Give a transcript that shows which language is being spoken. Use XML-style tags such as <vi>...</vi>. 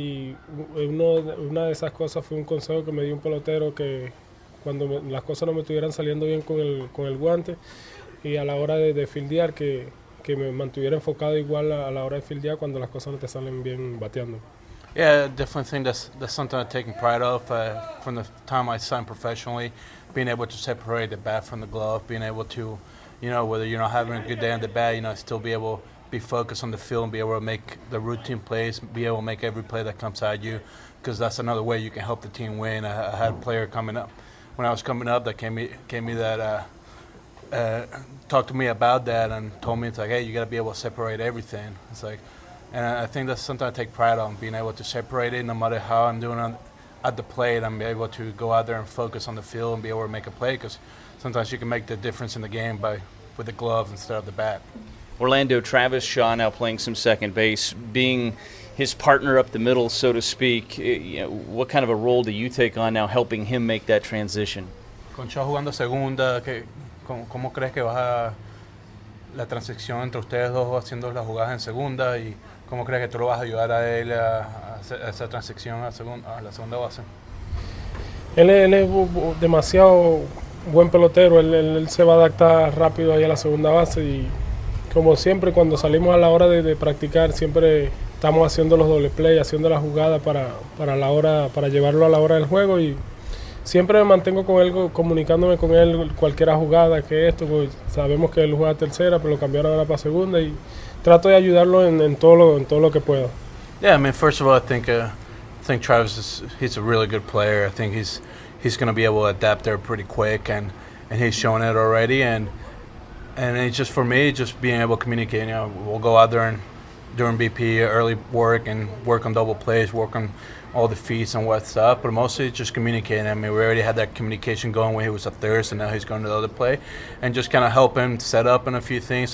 <es>Y una de esas cosas fue un consejo que me dio un pelotero, que cuando las cosas no me estuvieran saliendo bien con el guante, y a la hora de fildear, que me mantuviera enfocado igual a la hora de fildear cuando las cosas no te salen bien bateando.</es> <en>Yeah, definitely think that's something I'm taking pride of from the time I signed professionally, being able to separate the bat from the glove, being able to, you know, whether you're not having a good day on the bat, you know, still be able to be focused on the field and be able to make the routine plays, be able to make every play that comes at you, because that's another way you can help the team win. I had a player coming up, when I was coming up, that gave me that... talked to me about that and told me, it's like, hey, you got to be able to separate everything. It's like, and I think that's something I take pride on, being able to separate it no matter how I'm doing at the plate. I'm able to go out there and focus on the field and be able to make a play, because sometimes you can make the difference in the game with the glove instead of the bat. Orlando Travis Shaw now playing some second base, being his partner up the middle, so to speak. You know, what kind of a role do you take on now, helping him make that transition?</en> <es>Con Shaw jugando segunda, ¿Cómo crees que vas a la transición entre ustedes dos haciendo las jugadas en segunda, y cómo crees que tú lo vas a ayudar a él a esa transición a la segunda base? Él es demasiado buen pelotero, él se va a adaptar rápido ahí a la segunda base, y como siempre cuando salimos a la hora de practicar siempre estamos haciendo los doble play, haciendo la jugada para la hora, para llevarlo a la hora del juego. Y siempre me mantengo con él, comunicándome con él, cualquiera jugada que esto, pues sabemos que él juega tercera, pero lo cambiaron ahora para segunda, y trato de ayudarlo en todo lo que puedo.</es> <en>Yeah, I mean, first of all, I think Travis he's a really good player. I think he's going to be able to adapt there pretty quick, and he's shown it already. And it's just, for me, just being able to communicate, you know, we'll go out there and during BP, early work, and work on double plays, work on all the feats and what stuff, but mostly just communicating. I mean, we already had that communication going when he was up there, so now he's going to the other play, and just kind of help him set up in a few things.</en>